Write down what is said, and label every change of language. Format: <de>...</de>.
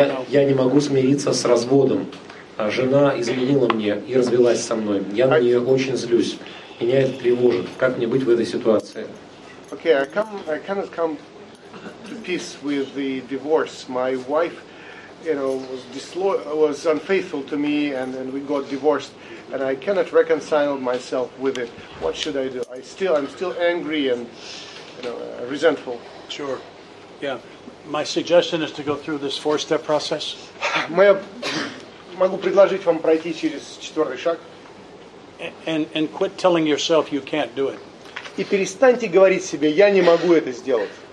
<ru>Я не могу смириться с разводом. Жена изменила мне и развелась со мной. Я на нее очень злюсь. Меня это тревожит. Как мне быть в этой ситуации?</ru> <en>Okay, I cannot come to peace with the divorce. My wife, you know, was unfaithful to me, and we got divorced, and I cannot reconcile myself with it. What should I do? I'm still angry and, you know, resentful. Sure. Yeah. My suggestion is to go through this four-step process.</en> <ru>Могу предложить вам пройти через четвертый шаг.</ru> <en>And quit telling yourself you can't do it.</en> <ru>И перестаньте говорить себе, я не могу это сделать.</ru>